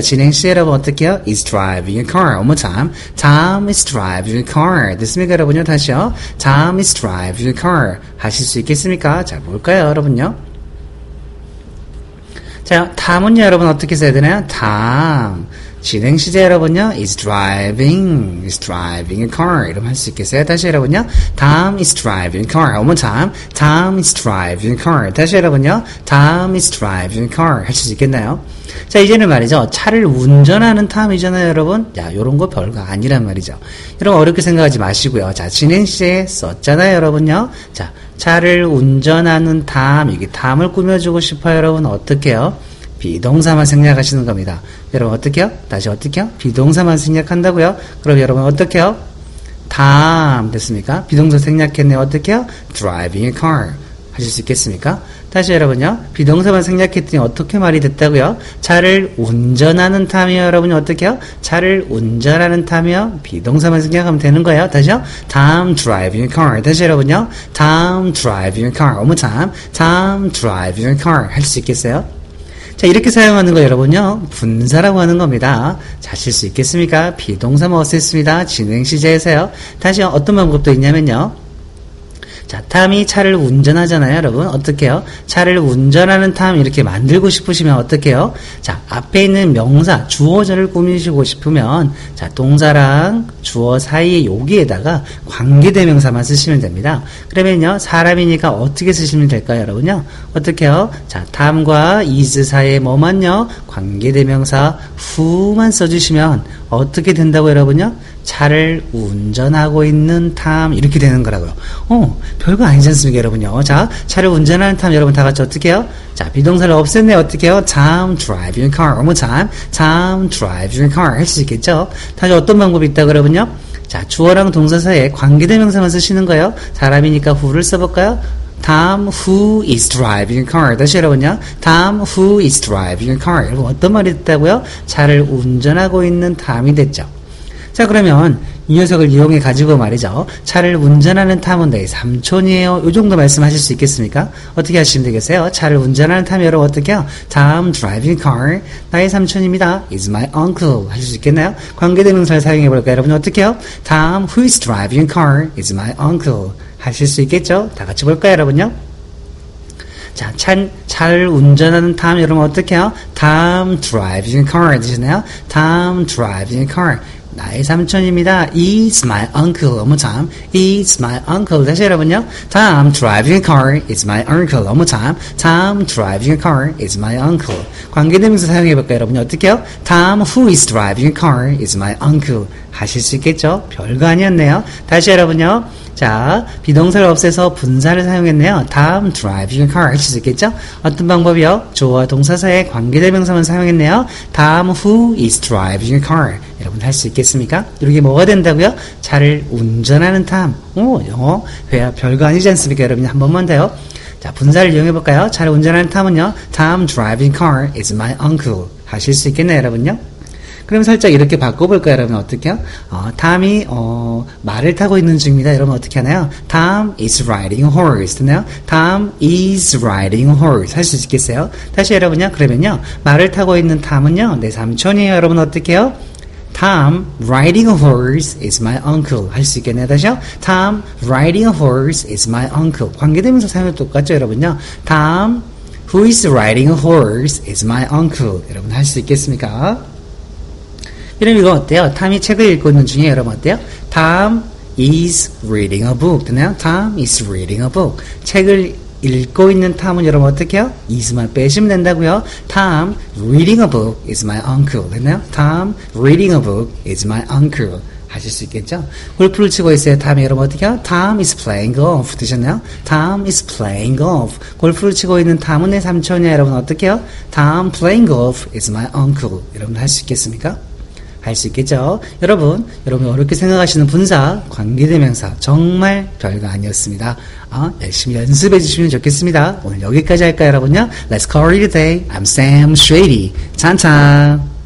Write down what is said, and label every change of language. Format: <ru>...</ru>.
<ko>진행시 여러분 어떻게요?</ko> <en>Is driving a car. One more time. Tom is driving a car.</en> <ko>됐습니까, 여러분요? 다시요.</ko> <en>Tom is driving a car.</en> <ko>하실 수 있겠습니까? 자, 볼까요, 여러분요? 자, Tom은요, 여러분 어떻게 써야 되나요? Tom. 진행시제 여러분요,</ko> <en>is driving a car.</en> <ko>이러면 할 수 있겠어요? 다시 여러분요,</ko> <en>Tom is driving a car. One more time, Tom is driving a car.</en> <ko>다시 여러분요,</ko> <en>Tom is driving a car.</en> <ko>할 수 있겠나요? 자, 이제는 말이죠, 차를 운전하는 Tom이잖아요, 여러분. 야, 요런 거 별거 아니란 말이죠. 여러분 어렵게 생각하지 마시고요. 자, 진행시제 썼잖아요, 여러분요. 자, 차를 운전하는 Tom. 여기 Tom을 꾸며주고 싶어요, 여러분. 어떡해요? 비동사만 생략하시는 겁니다. 여러분 어떻게요? 다시 어떻게요? 비동사만 생략한다고요? 그럼 여러분 어떻게요? 다음 됐습니까? 비동사 생략했네요. 어떻게요?</ko> <en>Driving a car</en> <ko>하실 수 있겠습니까? 다시 여러분요. 비동사만 생략했더니 어떻게 말이 됐다고요? 차를 운전하는 탐이요. 여러분 어떻게요? 차를 운전하는 탐이요. 비동사만 생략하면 되는 거예요. 다시요.</ko> <en>Tom driving a car.</en> <ko>다시 여러분요.</ko> <en>Tom driving a car. One more time. Tom driving a car</en> <ko>할 수 있겠어요? 자, 이렇게 사용하는 거 여러분요, 분사라고 하는 겁니다. 자, 하실 수 있겠습니까? 비동사만 어색했습니다. 진행시제에서요. 다시 어떤 방법도 있냐면요, 자, 탐이 차를 운전하잖아요, 여러분. 어떻게요? 차를 운전하는 탐 이렇게 만들고 싶으시면 어떻게요? 자, 앞에 있는 명사 주어절을 꾸미시고 싶으면, 자, 동사랑 주어 사이에 여기에다가 관계대명사만 쓰시면 됩니다. 그러면요, 사람이니까 어떻게 쓰시면 될까요, 여러분요? 어떻게요? 자, 탐과 is 사이에 뭐만요? 관계대명사 who만 써주시면 어떻게 된다고, 여러분요? 차를 운전하고 있는 탐 이렇게 되는 거라고요. 별거 아니지 않습니까, 여러분요? 자, 차를 운전하는 탐 여러분 다 같이 어떻게 해요? 자, 비동사를 없앴네. 어떻게 해요?</ko> <en>Tom driving a car. One more time. Tom driving a car.</en> <ko>할 수 있겠죠? 다시 어떤 방법이 있다고, 여러분요? 자, 주어랑 동사 사이에 관계대명사만 쓰시는 거예요. 사람이니까 who를 써볼까요?</ko> <en>Tom who is driving a car.</en> <ko>다시 여러분요,</ko> <en>Tom who is driving a car.</en> <ko>여러분 어떤 말이 됐다고요? 차를 운전하고 있는 탐이 됐죠. 자, 그러면 이 녀석을 이용해 가지고 말이죠, 차를 운전하는 탐은 내 삼촌이에요. 이 정도 말씀하실 수 있겠습니까? 어떻게 하시면 되겠어요? 차를 운전하는 탐이 여러분 어떻게요?</ko> <en>Tom driving car.</en> <ko>나의 삼촌입니다.</ko> <en>Is my uncle.</en> <ko>하실 수 있겠나요? 관계대명사를 사용해 볼까요? 여러분 어떻게요?</ko> <en>Tom who is driving car is my uncle.</en> <ko>하실 수 있겠죠? 다 같이 볼까요, 여러분요? 자, 차를 운전하는 Tom 여러분 어떻게요?</ko> <en>Tom driving car.</en> <ko>되시나요?</ko> <en>Tom driving car.</en> <ko>나의 삼촌입니다.</ko> <en>It's my uncle. One more time. It's my uncle.</en> <ko>다시 여러분요.</ko> <en>Tom driving a car is my uncle. One more time. Tom driving a car is my uncle.</en> <ko>관계대명사 사용해볼까요, 여러분? 어떻게요?</ko> <en>Tom who is driving a car is my uncle.</en> <ko>하실 수 있겠죠? 별거 아니었네요. 다시 여러분요. 자, 비동사를 없애서 분사를 사용했네요.</ko> <en>Tom driving a car.</en> <ko>하실 수 있겠죠? 어떤 방법이요? 주어와 동사 사이에 관계대명사만 사용했네요.</ko> <en>Tom who is driving a car.</en> <ko>여러분 할 수 있겠습니까? 이렇게 뭐가 된다고요? 차를 운전하는 탐. 영어 회화 별거 아니지 않습니까, 여러분? 한 번만 더요. 자, 분사를 이용해 볼까요? 차를 운전하는 탐은요,</ko> <en>Tom driving car is my uncle.</en> <ko>하실 수 있겠나요, 여러분요? 그럼 살짝 이렇게 바꿔볼까요, 여러분? 어떻게요? Tom이 말을 타고 있는 중입니다. 여러분 어떻게 하나요?</ko> <en>Tom is riding a horse.</en> <ko>듣나요?</ko> <en>Tom is riding a horse.</en> <ko>할 수 있겠어요? 다시 여러분요. 그러면요, 말을 타고 있는 탐은요, 내 삼촌이에요. 여러분 어떻게요?</ko> <en>Tom riding a horse is my uncle.</en> <ko>할 수 있겠네요. 다시요.</ko> <en>Tom riding a horse is my uncle.</en> <ko>관계대명사 사용은 똑같죠, 여러분요.</ko> <en>Tom who is riding a horse is my uncle.</en> <ko>여러분 할 수 있겠습니까? 이러면 이거 어때요? Tom이 책을 읽고 있는 중에 여러분 어때요?</ko> <en>Tom is reading a book.</en> <ko>듣나요?</ko> <en>Tom is reading a book.</en> <ko>책을 읽고 있는 Tom은 여러분 어떻게요? is만 빼시면 된다고요.</ko> <en>Tom reading a book is my uncle.</en> <ko>됐나요?</ko> <en>Tom reading a book is my uncle.</en> <ko>하실 수 있겠죠? 골프를 치고 있어요. Tom 여러분 어떻게요?</ko> <en>Tom is playing golf.</en> <ko>드셨나요?</ko> <en>Tom is playing golf.</en> <ko>골프를 치고 있는 Tom은 내 삼촌이야. 여러분 어떻게요?</ko> <en>Tom playing golf is my uncle.</en> <ko>여러분 할 수 있겠습니까? 할 수 있겠죠? 여러분, 여러분이 어렵게 생각하시는 분사, 관계대명사 정말 별거 아니었습니다. 열심히 연습해 주시면 좋겠습니다. 오늘 여기까지 할까요, 여러분요?</ko> <en>Let's call it a day. I'm Sam Shady.</en> <ko>찬찬.</ko>